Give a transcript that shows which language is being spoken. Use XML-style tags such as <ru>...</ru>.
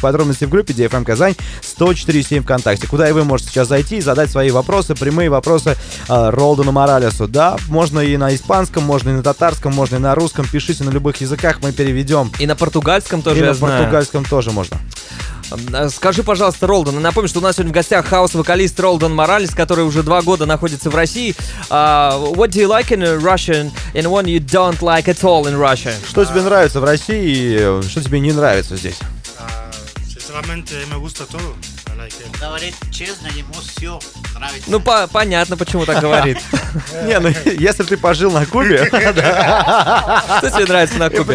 <ru>Подробности в группе DFM Казань 104.7 ВКонтакте, куда и вы можете сейчас зайти и задать свои вопросы, прямые вопросы Ролдону Моралесу. Да, можно и на испанском, можно и на татарском, можно и на русском. Пишите на любых языках, мы переведем. И на португальском тоже, я знаю. И на португальском тоже можно. Скажи, пожалуйста, Ролдон, напомню, что у нас сегодня в гостях хаус-вокалист Ролдон Моралес, который уже 2 года находится в России.</ru> <en>What do you like in Russian and what you don't like at all in Russia?</en> <ru>Что тебе нравится в России и что тебе не нравится здесь?</ru> <es>Sinceramente, me gusta todo.</es> <ru>человек. Говорит честно, ему все нравится. Ну, понятно, почему так говорит. Не, ну, если ты пожил на Кубе... Что тебе нравится на Кубе?</ru>